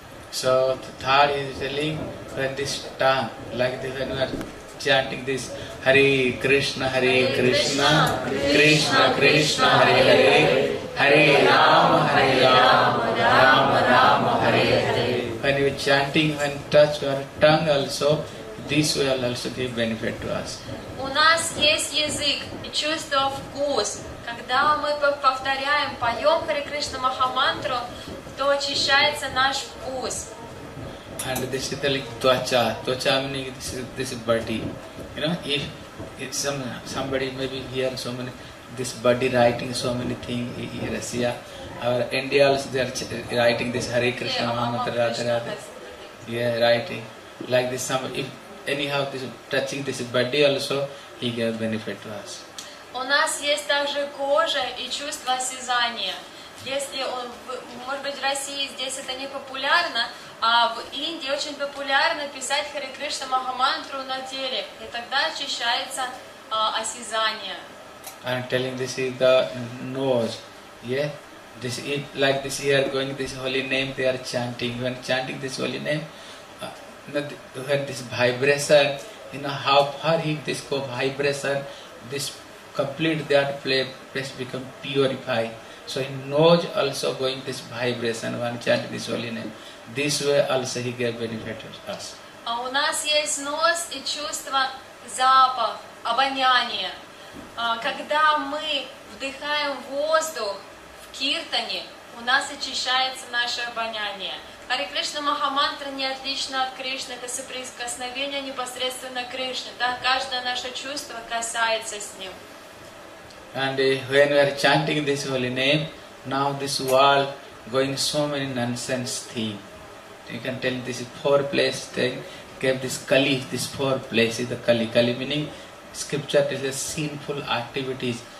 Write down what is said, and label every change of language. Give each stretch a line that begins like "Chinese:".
English: So the third is telling when this tongue, like this, when we are chanting this Hare Krishna, Krishna Krishna, Hare Hare, Hare Rama, Hare Rama, Rama Rama, Hare Hare. When we are chanting, when touch our tongue also, this will also give benefit to us.
Ukrainian: У нас є язик, чувство вкус. Когда ми повторяємо, поем Харе Кришна Махамантру, то очищається наш вкус.
English: And this is like twacha. Twacha meaning this body. You know, if it's somebody maybe here so many, this body writing so many things in Russia. Or India also they are writing this Hare Krishna Mahamantra Radha Radha. Yeah, writing. Like this, if anyhow this touching this body also, he gave benefit to us.
Ukrainian: У нас є також кожа і чувство осязання.
Russian: Если он, может быть, в России здесь это не популярно, а в Индии очень популярно писать Харе Кришна Махамантру на теле, и тогда очищается осязание. I'm telling this is the nose, yeah. This is like this here going this holy name they are chanting. When chanting this holy name, when this vibration, you know how far he this go vibration, this complete that place become purified. So he knows also going this vibration when chanting this holy name. This way also he gave benefit to us. А у нас есть нос и чувство запах, обоняние. Когда мы вдыхаем воздух в киртане, у нас очищается наше обоняние. Харе Кришна Махамантра не отлично от Кришны, это соприкосновение непосредственно к Кришне. Да, каждое наше чувство касается с ним.
English: And when we are chanting this holy name, now this world going so many nonsense thing. You can tell this is four place thing. Give this Kali, this four place is the Kali. Kali meaning scripture is a sinful activities.